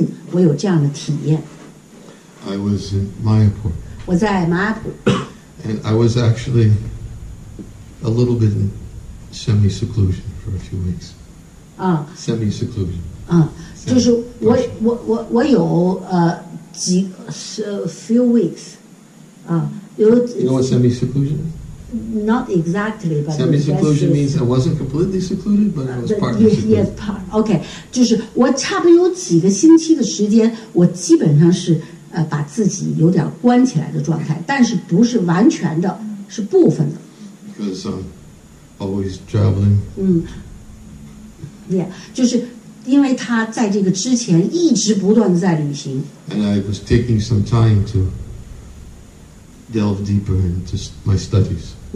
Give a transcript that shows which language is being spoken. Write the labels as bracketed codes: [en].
[zh] 正因为，就像，这个最近我有这样的体验。I [en] was in Mayapur. [zh] 我在马普。 [en] And I was actually a little bit in semi-seclusion for a few weeks. Semi-seclusion. [zh] 就是我有几 [en] few weeks. You know what semi-seclusion is? Not exactly, but semi-seclusion means I wasn't completely secluded, but I was partly secluded. Yes, part. [zh] Okay, 就是我差不多有几个星期的时间，我基本上是把自己有点关起来的状态，但是不是完全的，是部分的。Because [en] I'm always traveling. [zh] Yeah, 就是因为他在这个之前一直不断的在旅行。And [en] I was taking some time to delve deeper into my studies.